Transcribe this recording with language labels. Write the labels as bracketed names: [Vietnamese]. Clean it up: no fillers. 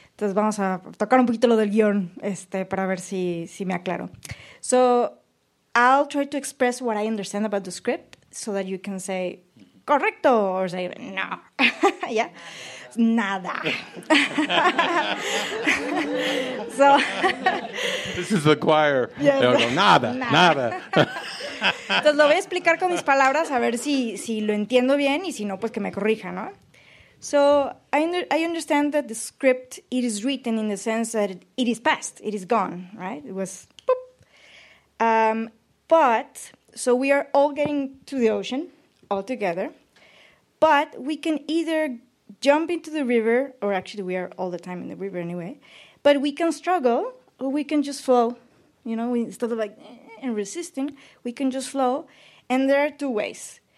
[Spanish] Entonces vamos a tocar un poquito lo del guión para ver si me aclaro. [English] So I'll try to express what I understand about the script so that you can say, correcto, or say, no. [Spanish] Yeah. Nada. [English] So this is the choir. Yes. [Spanish] No, nada, nada. Entonces lo voy a explicar con mis palabras a ver si lo entiendo bien y si no pues que me corrija, ¿no? [English] So I understand that the script it is written in the sense that it is past, it is gone, right? It was boop. But so we are all getting to the ocean all together, but we can either jump into the river, or actually we are all the time in the river anyway, but we can struggle, or we can just flow, you know, instead of like and resisting, we can just flow, and there are two ways.